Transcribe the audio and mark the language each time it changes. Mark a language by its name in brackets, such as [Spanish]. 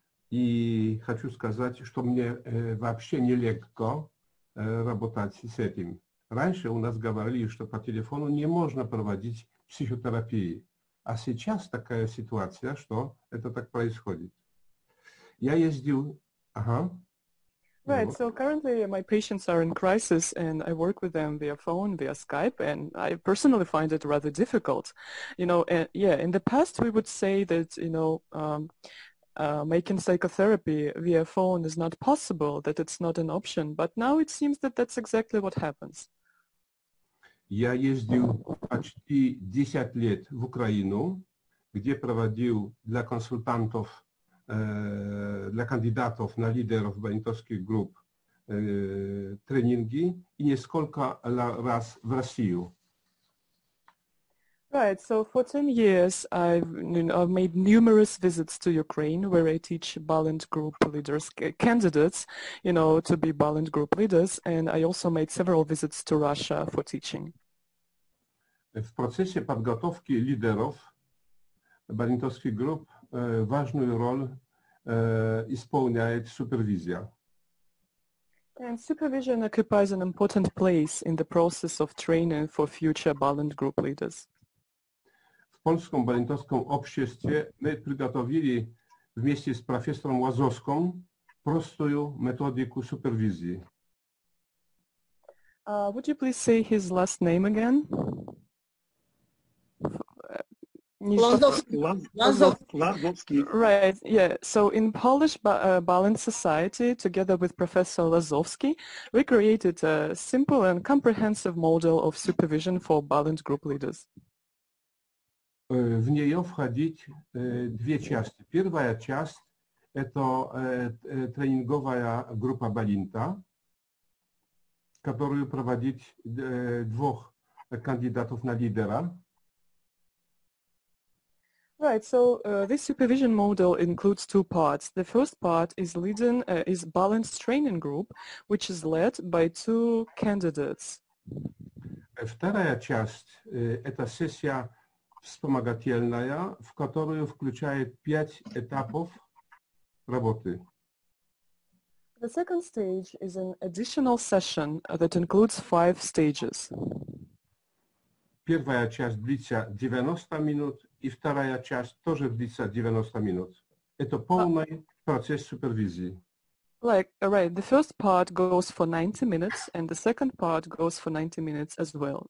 [Russian] И хочу сказать, что мне вообще нелегко работать с этим. Раньше у нас говорили, что по телефону не можно проводить психотерапии. А сейчас такая ситуация, что это так происходит. Я ездил... Ага. [English] Right, so currently my patients are in crisis, and I work with them via phone, via Skype, and I personally find it rather difficult. You know, in the past we would say that, you know, making psychotherapy via phone is not possible, that it's not an option, but now it seems that that's exactly what happens. [Russian] Я ездил почти 10 лет в Украину, где проводил для консультантов, для кандидатов на лидеров бонитовских групп тренинги и несколько раз в Россию. [English] Right, so for 10 years I've made numerous visits to Ukraine where I teach Balint group leaders, candidates, you know, to be Balint group leaders, and I also made several visits to Russia for teaching. [Russian] В процессе подготовки лидеров балинтовских групп важную роль исполняет супервизия. [English] And supervision occupies an important place in the process of training for future Balint group leaders. [Russian] В Польском Балинтовском обществе мы приготовили вместе с профессором Лазовским простую методику супервизии. [English] Would you please say his last name again? [Russian] Лазовский. [English] Right, yeah. So in Polish Balint Society, together with Professor Lazovsky, we created a simple and comprehensive model of supervision for Balint group leaders. [Russian] В нее входить две части. Первая часть – это тренинговая группа Балинта, которую проводить двух кандидатов на лидера. [English] Right, so this supervision model includes two parts. The first part is leading is balanced training group, which is led by two candidates. [Russian] Вторая часть – это сессия вспомогательная, в которую включает 5 этапов работы. [English] The second stage is an additional session that includes 5 stages. [Russian] Первая часть длится 90 минут, и вторая часть тоже длится 90 минут. Это полный процесс супервизии. [English] Like, right, the first part goes for 90 minutes, and the second part goes for 90 minutes as well.